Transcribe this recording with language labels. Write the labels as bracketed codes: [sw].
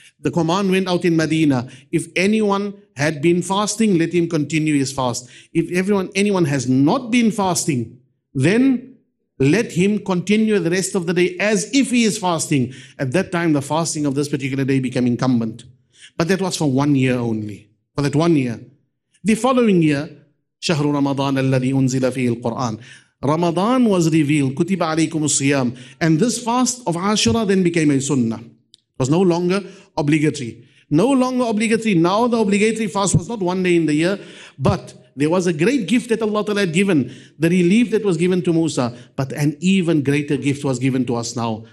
[en] The command went out in Medina. If anyone had been fasting, let him continue his fast. If anyone has not been fasting, then let him continue the rest of the day as if he is fasting. At that time, the fasting of this particular day became incumbent. But that was for 1 year only. For that 1 year. The following year, [ar] شهر رمضان الذي أنزل فيه القرآن. [en] Ramadan was revealed. [ar] كتب عليكم الصيام. [en] And this fast of Ashura then became a sunnah. Was no longer obligatory. No longer obligatory. Now the obligatory fast was not 1 day in the year, but there was a great gift that Allah Ta'ala had given, the relief that was given to Musa, but an even greater gift was given to us now.